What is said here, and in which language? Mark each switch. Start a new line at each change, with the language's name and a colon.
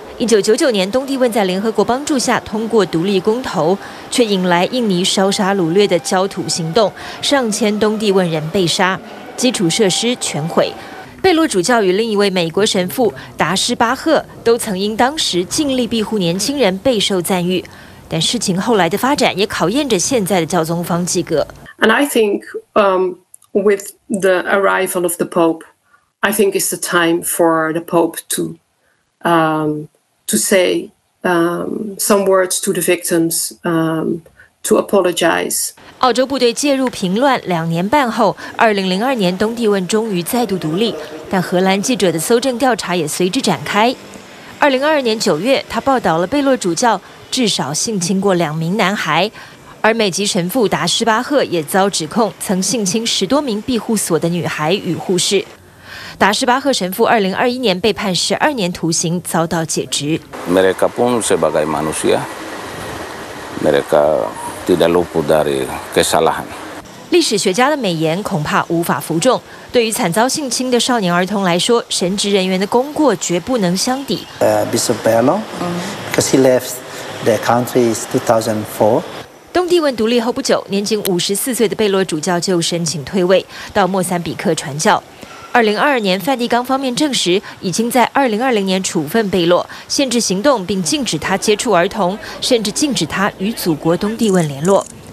Chinese: 1999年，东帝汶在联合国帮助下通过独立公投，却引来印尼烧杀掳掠的焦土行动，上千东帝汶人被杀，基础设施全毁。贝洛主教与另一位美国神父达施巴赫都曾因当时尽力庇护年轻人备受赞誉，但事情后来的发展也考验着现在的教宗方济各。
English: And I think, with the arrival of the Pope. I think it's the time for the Pope to say some words to the victims, to apologize.
Chinese: 澳洲部队介入平乱2年半后，2002年东帝汶终于再度独立，但荷兰记者的搜证调查也随之展开。 2022年9月，他报道了贝洛主教至少性侵过2名男孩，而美籍神父达施巴赫也遭指控曾性侵10多名庇护所的女孩与护士。达施巴赫神父2021年被判12年徒刑，遭到解职。
Indonesian: Mereka pun sebagai manusia, mereka tidak luput dari kesalahan.
Chinese: 历史学家的美言恐怕无法服众。对于惨遭性侵的少年儿童来说，神职人员的功过绝不能相抵。
English: Bishop Bello, because he left the country in 2004.
Chinese: 东帝汶独立后不久，年仅54岁的贝洛主教就申请退位，到莫桑比克传教。 2022年，梵蒂冈方面证实已经在2020年处分贝洛，限制行动，并禁止他接触儿童，甚至禁止他与祖国东帝汶联络。